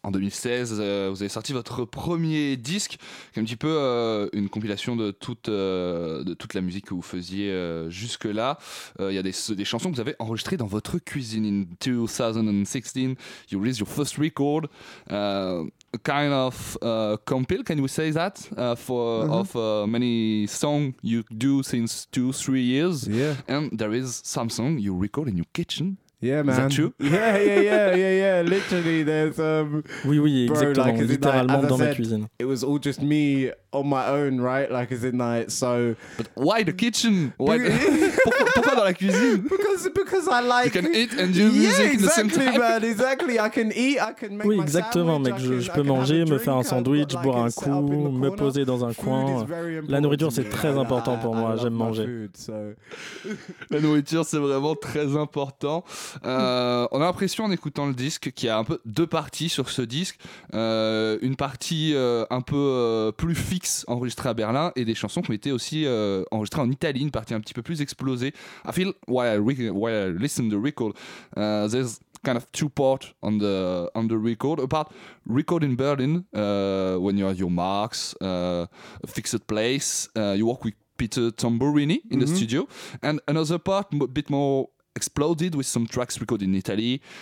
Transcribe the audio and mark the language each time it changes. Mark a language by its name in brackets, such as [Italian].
[French] En 2016, vous avez sorti votre premier disque, qui est un petit peu une compilation de toute la musique que vous faisiez jusque-là. Il y a des chansons que vous avez enregistrées dans votre cuisine. [English] In 2016, you released your first record. Kind of compile, can we say that many songs you do since 2-3 years? Yeah. And there is some song you record in your kitchen. Yeah, man. Is that true? Yeah. Literally, there's [French] Oui, [English] exactly. Like, [French] littéralement dans ma cuisine. [English] It was all just me on my own, right? Like, as in, like, so. But why the kitchen? Why [French] pourquoi dans la cuisine? [English] Because I like. You can eat and do music in the same time. Yeah, exactly, man. Exactly. I can eat. I can make. [French] Oui, exactement, mec. Je peux manger, me faire un sandwich, boire un coup, me poser dans un coin. La nourriture, c'est très important pour moi. J'aime manger. La nourriture, c'est vraiment très important. On a l'impression en écoutant le disque qu'il y a un peu deux parties sur ce disque, une partie un peu plus fixe enregistrée à Berlin et des chansons qui ont été aussi enregistrées en Italie, une partie un petit peu plus explosée. [English] I feel while I listen the record, there's kind of two parts on the record. Apart record in Berlin when you're at your marks, a fixed place, you work with Peter Tamburini in the studio, and another part a bit more exploded with some tracks recorded in Italy.